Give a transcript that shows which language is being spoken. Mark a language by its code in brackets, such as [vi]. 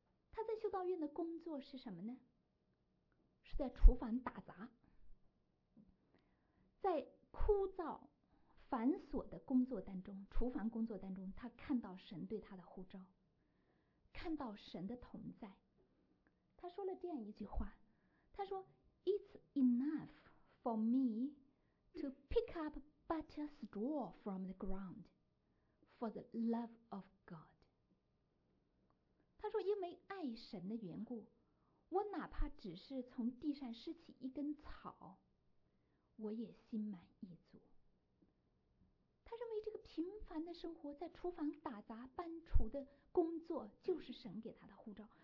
[zh] 他在修道院的工作是什么呢？是在厨房打杂。在枯燥繁琐的工作当中，厨房工作当中，他看到神对他的呼召，看到神的同在。他说了这样一句话，他说 [en] It's enough for me to pick up butter straw from the ground for the love of God。 [zh] 他说因为爱神的缘故，我哪怕只是从地上拾起一根草，我也心满意足。他认为这个平凡的生活，在厨房打杂搬厨的工作，就是神给他的呼召。